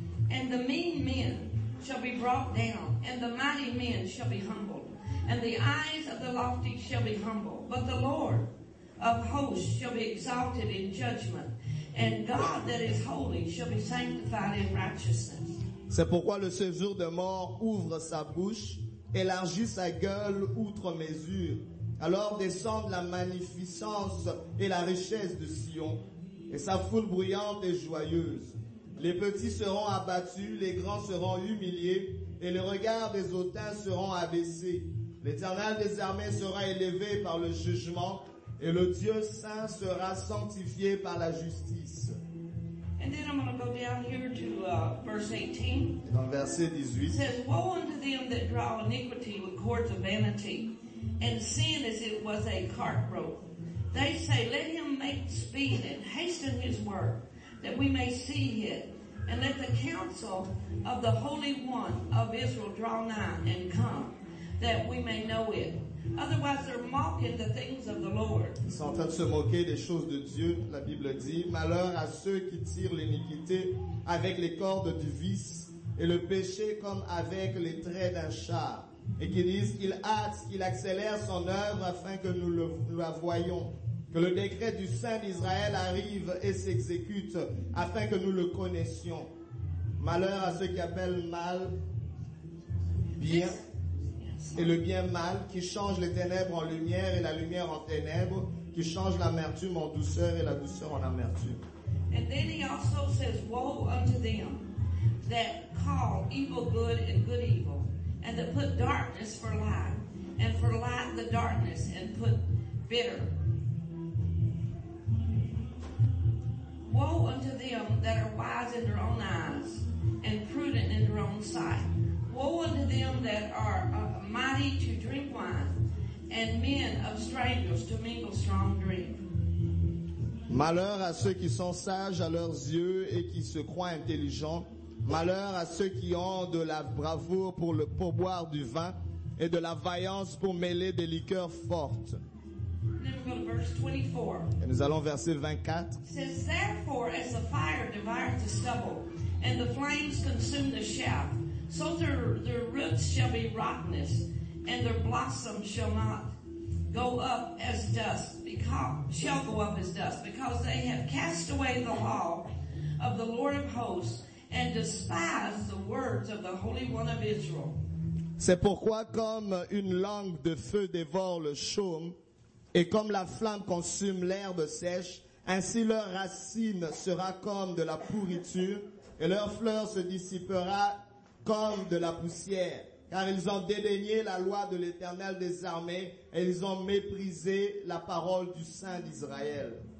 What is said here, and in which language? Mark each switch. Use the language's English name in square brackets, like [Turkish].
[English] And the mean men shall be brought down, and the mighty men shall be humbled, and the eyes of the lofty shall be humbled. But the Lord of hosts shall be exalted in judgment, and God that is holy shall be sanctified in righteousness. [French] C'est pourquoi le séjour de mort ouvre sa bouche, élargit sa gueule outre mesure. Alors descendent la magnificence et la richesse de Sion, et sa foule bruyante et joyeuse. Les petits seront abattus, les grands seront humiliés, et les regards des hautains seront abaissés. L'Éternel des armées sera élevé par le jugement, et le Dieu saint sera sanctifié par la justice. [English] And then I'm going to go down here to verse 18. [French] Dans verset 18. [English] It says, woe unto them that draw iniquity with cords of vanity, and sin as it was a cart rope. They say, let him make speed and hasten his work, that we may see it. And let the counsel of the Holy One of Israel draw nigh and come, that we may know it. Otherwise, they're mocking the things of the Lord. [French] Ils sont en train de se moquer des choses de Dieu, la Bible dit. Malheur à ceux qui tirent l'iniquité avec les cordes du vice et le péché comme avec les traits d'un char. Et qui disent, il hâte, qu'il accélère son œuvre afin que nous la voyions. Que le décret du Saint d'Israël arrive et s'exécute afin que nous le connaissions. Malheur à ceux qui appellent mal bien. Et le bien mal, qui change les ténèbres en lumière et la lumière en ténèbres, qui change l'amertume en douceur et la douceur en amertume. [English] And then he also says, woe unto them that call evil good and good evil, and that put darkness for light, and for light the darkness, and put bitter. Woe unto them that are wise in their own eyes, and prudent in their own sight. Woe unto them that are mighty to drink wine, and men of strangers to mingle strong drink. [French] Malheur à ceux qui sont sages à leurs yeux et qui se croient intelligents. Malheur à ceux qui ont de la bravoure pour le pourboire du vin et de la vaillance pour mêler des liqueurs fortes. Et nous allons verset 24. [English] It says, therefore, as the fire devoureth the stubble, and the flames consume the shaft, so their roots shall be rottenness, and their blossoms shall not go up as dust, because they have cast away the law of the Lord of hosts, and despise the words of the Holy One of Israel. [French] C'est pourquoi comme une langue de feu dévore le chaume, et comme la flamme consume l'herbe sèche, ainsi leur racine sera comme de la pourriture, et leur fleur se dissipera comme de la poussière. Car ils ont dédaigné la loi de l'Éternel des armées, et ils ont méprisé la parole du Saint d'Israël.